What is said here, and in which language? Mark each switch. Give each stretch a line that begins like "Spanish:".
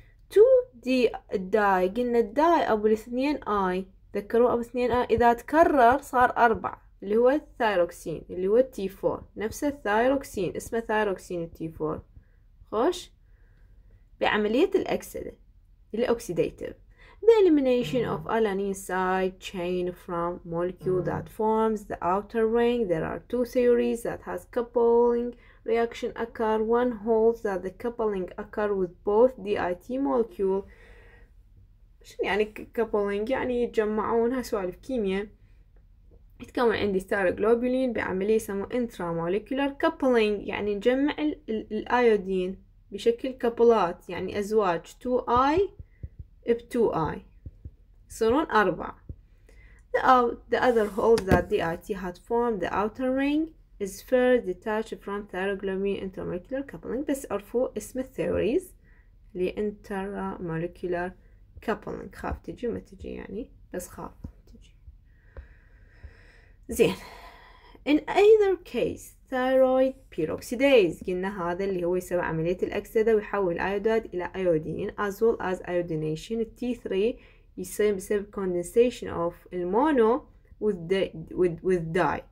English: To the die
Arabic: قلنا die أبو الاثنين I ذكروا أبو الاثنين I إذا تكرر صار أربعة اللي هو الثايروكسين اللي هو T4 نفس الثايروكسين اسمه ثايروكسين T4 خوش بعملية الأكسدة الأكسيديتيف.
English: The elimination of alanine side chain from molecule that forms the outer ring. There are two theories that has coupling reaction occur. One holds that the coupling occur with both DIT molecule.
Arabic: شنو يعني coupling؟ يعني يتجمعون هسوالف كيمياء. يتكون عندي ثيروغلوبولين بعملية يسموه intramolecular coupling. يعني نجمع الأيودين بشكل كابولات يعني أزواج 2I ب2I يصيرون أربعة.
English: The other holds that DIT had formed the outer ring is first detached from thyroglobulin intramolecular coupling.
Arabic: بس عرفوا اسم الثيوريز اللي intramolecular coupling. خاف تجي ما تجي يعني بس خاف تجي. زين.
English: In either case thyroid peroxidase
Arabic: قلنا هذا اللي هو يسوي عملية الأكسدة ويحول الأيوداد إلى أيودين
English: as well as iodination T3
Arabic: يصير بسبب
English: condensation of
Arabic: المونو
English: with dye.